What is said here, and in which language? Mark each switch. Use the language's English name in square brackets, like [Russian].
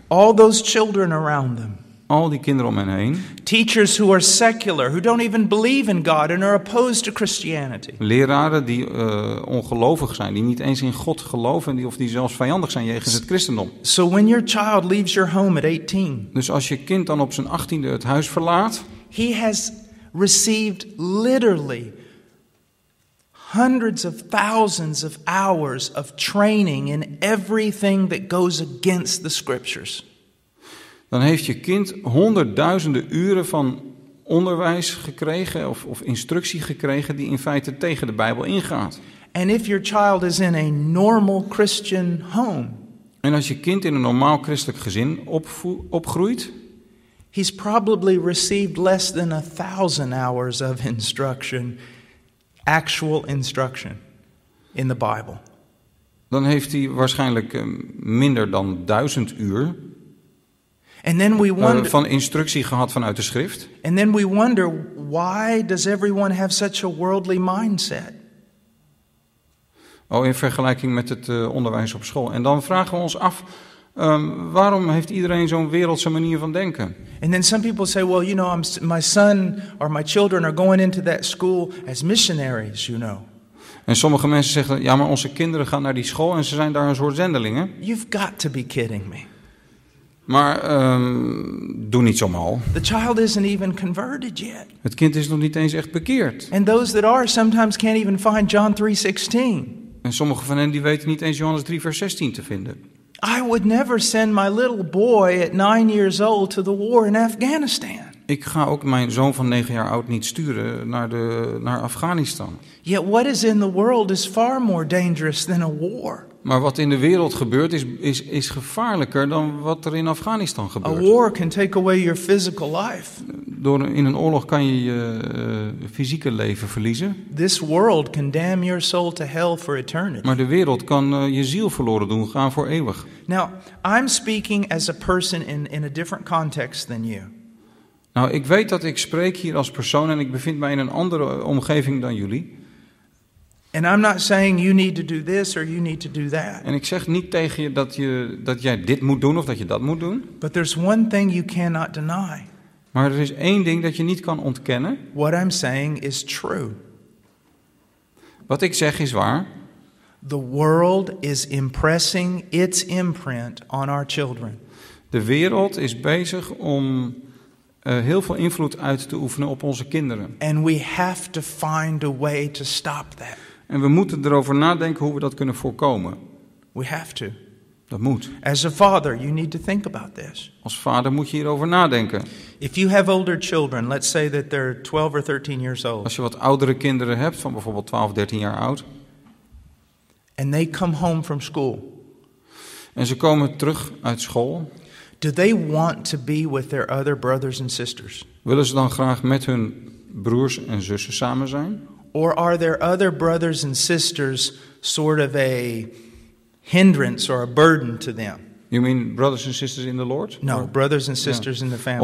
[English] All those children around them. [Dutch] Al die kinderen om hen heen. [English] Teachers who are secular, who don't even believe in God and are opposed to Christianity. [Dutch] Leraren die ongelovig zijn, die niet eens in God geloven, of die zelfs vijandig zijn jegens het christendom. [English] So when your child leaves your home at 18. [Dutch] Dus als je kind dan op zijn 18e het huis verlaat. [English] He has received literally hundreds of thousands of hours of training in everything that goes against the scriptures. [Dutch] Dan heeft je kind honderdduizenden uren van onderwijs gekregen of instructie gekregen die in feite tegen de Bijbel ingaat. [English] And if your child is in a normal Christian home, [Dutch] en als je kind in een normaal christelijk gezin opgroeit, [English] he's probably received less than 1,000 hours of instruction, actual instruction in the Bible. [Dutch] Dan heeft hij waarschijnlijk minder dan 1,000 uur. [English] And then we wonder, [Dutch] van instructie gehad vanuit de schrift. [English] And then we wonder, why does everyone have such a worldly mindset? [Dutch] Oh, in vergelijking met het onderwijs op school. En dan vragen we ons af, waarom heeft iedereen zo'n wereldse manier van denken? [English] And then some people say, well, you know, my son or my children are going into that school as missionaries, you know. [Dutch] En sommige mensen zeggen, ja, maar onze kinderen gaan naar die school en ze zijn daar een soort zendelingen. [English] You've got to be kidding me. [Dutch] Maar doe niet zo mal. [English] The child isn't even converted yet. [Dutch] Het kind is nog niet eens echt bekeerd. [English] And those that are sometimes can't even find John 3:16. [Dutch] En sommige van hen die weten niet eens Johannes 3 vers 16 te vinden. [English] I would never send my little boy at 9 years old to the war in Afghanistan. [Dutch] Ik ga ook mijn zoon van 9 jaar oud niet sturen naar Afghanistan. [English] Yet what is in the world is far more dangerous than a war. [Dutch] Maar wat in de wereld gebeurt is gevaarlijker dan wat er in Afghanistan gebeurt. [English] A war can take away your physical life. [Dutch] Door in een oorlog kan je je fysieke leven verliezen. [English] This world can damn your soul to hell for eternity. [Dutch] Maar de wereld kan je ziel verloren doen gaan voor eeuwig. [English] Now, I'm speaking as a person in a different context than you. [Dutch] Nou, ik weet dat ik spreek hier als persoon en ik bevind mij in een andere omgeving dan jullie. [English] And I'm not saying you need to do this or you need to do that. [Dutch] En ik zeg niet tegen je dat jij dit moet doen of dat je dat moet doen. [English] But there's one thing you cannot deny. [Dutch] Maar er is één ding dat je niet kan ontkennen. [English] What I'm saying is true. [Dutch] Wat ik zeg is waar. [English] The world is impressing its imprint on our children. [Dutch] De wereld is bezig om heel veel invloed uit te oefenen op onze kinderen. [English] And we have to find a way to stop that. [Dutch] En we moeten erover nadenken hoe we dat kunnen voorkomen. [English] We have to. [Dutch] Dat moet. [English] As a father, you need to think about this. [Dutch] Als vader moet je hierover nadenken. [English] If you have older children, let's say that they're 12 or 13 years old. [Dutch] Als je wat oudere kinderen hebt, van bijvoorbeeld 12, 13 jaar oud. [English] And they come home from school. [Dutch] En ze komen terug uit school. [English] Do they want to be with their other brothers and sisters? [Dutch] Willen ze dan graag met hun broers en zussen samen zijn? [English] Or are there other brothers and sisters sort of a hindrance or a burden to them? You mean brothers and sisters in the Lord? No, brothers and sisters in the family.